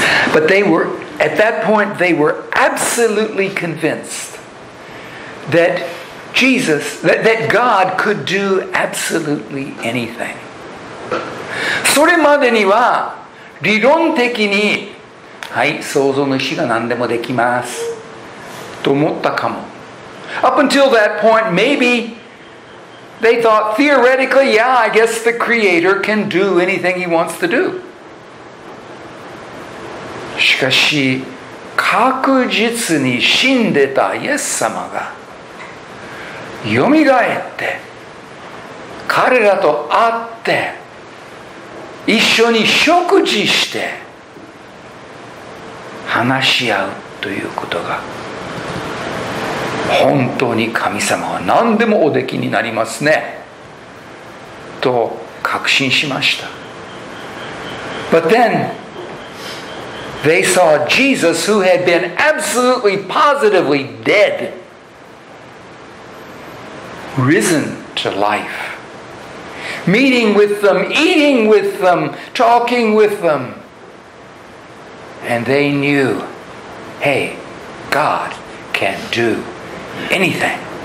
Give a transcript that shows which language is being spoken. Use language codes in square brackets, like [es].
[en] But they were, at that point, they were absolutely convinced that Jesus, that God could do absolutely anything. [ja] それまでには理論的に、はい、創造主が何でもできますと思ったかも。 [en] Up until that point, maybe they thought theoretically, yeah, I guess the Creator can do anything He wants to do. [ja] しかし、確実に死んでたイエス様が蘇って、彼らと会って、一緒に食事して、話し合うということが、本当に神様は何でもおできになりますねと確信しました。 [en] But then they saw Jesus who had been absolutely positively dead risen to life, meeting with them, eating with them, talking with them, and they knew, hey, God can doAnything.